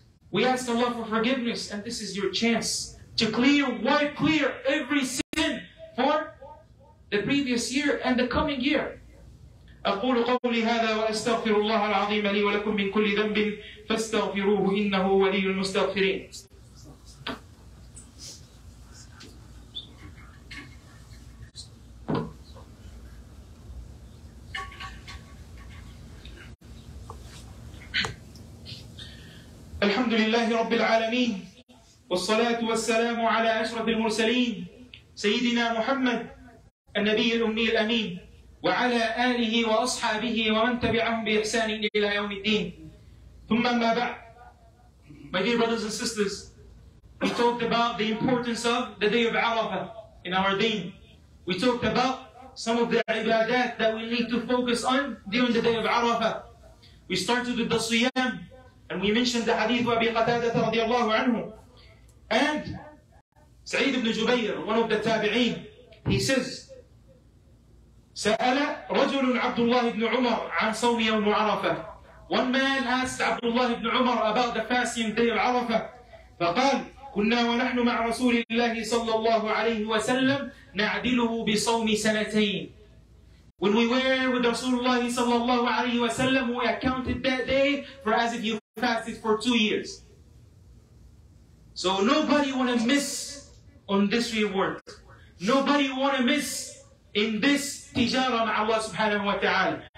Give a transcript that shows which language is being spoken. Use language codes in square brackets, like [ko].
[en] We ask Allah for forgiveness and this is your chance to wipe clear every sin for the previous year and the coming year. [ar] أقول قولي هذا وأستغفر الله العظيم لي ولكم من كل ذنب فاستغفروه إنه ولي المستغفرين. الحمد لله رب العالمين والصلاة والسلام على أشرف المرسلين سيدنا محمد النبي الأمي الأمين وعلى آله وأصحابه ومن تبعهم بإحسان إلى يوم الدين ثم ما بعد [en] My dear brothers and sisters, we talked about the importance of the day of Arafah in our deen. We talked about some of the ibadat that we need to focus on during the day of Arafah. We started with the siyam and we mentioned the hadith of Abi Qatada [ar] رضي الله عنه [en] and Sa'id ibn Jubayr, one of the tabi'een, he says, [ar] سأل رجل عبد الله بن عمر عن صوم يوم عرفة [en] One man asked Abdullah ibn Umar about the fasting day of Arafah. [ar] فقال كنا ونحن مع رسول الله صلى الله عليه وسلم نعدله بصوم سنتين. [en] When we were with Rasulullah [ar] صلى الله عليه وسلم, [en] we accounted that day for as if you fasted for 2 years. So nobody want to miss on this reward. Nobody want to miss in this tijara [ar] مع الله سبحانه وتعالى.